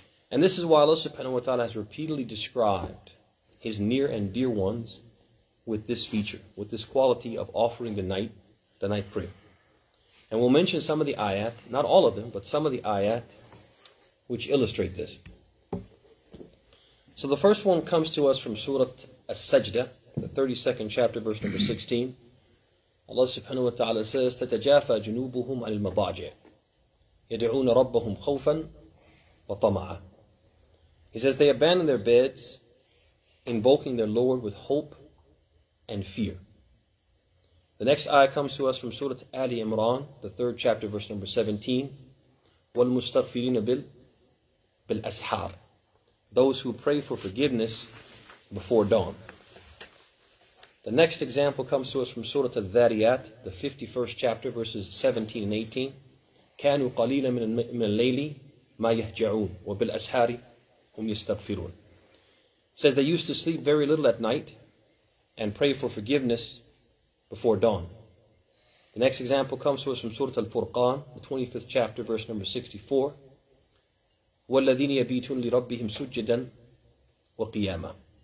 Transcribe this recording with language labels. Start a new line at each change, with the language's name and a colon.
English: And this is why Allah subhanahu wa ta'ala has repeatedly described His near and dear ones with this feature, with this quality of offering the night prayer. And we'll mention some of the ayat, not all of them, but some of the ayat which illustrate this. So the first one comes to us from Surah As-Sajdah, the 32nd chapter, verse number 16.
Arabic: Allah subhanahu wa ta'ala says, تَتَجَافَى جُنُوبُهُمْ عَلِ الْمَضَاجِعِ يَدْعُونَ رَبَّهُمْ خَوْفًا وَطَمَعًا.
English: He says, they abandon their beds, invoking their Lord with hope and fear. The next ayah comes to us from Surah Ali Imran, the 3rd chapter, verse number 17.
Arabic: وَالْمُسْتَغْفِرِينَ بِالْأَسْحَارِ.
English: Those who pray for forgiveness before dawn. The next example comes to us from Surah Al-Dhariyat, the 51st chapter, verses 17 and 18.
Arabic: كانوا قليلا من الليل ما يهجعون وبالأسحار هم يستغفرون.
English: Says they used to sleep very little at night and pray for forgiveness before dawn. The next example comes to us from Surah Al-Furqan, the 25th chapter, verse number 64.
Arabic: وَالَّذِينَ يَبِيتُونَ لِرَبِّهِمْ سُجَّدًا وَقِيَامًا.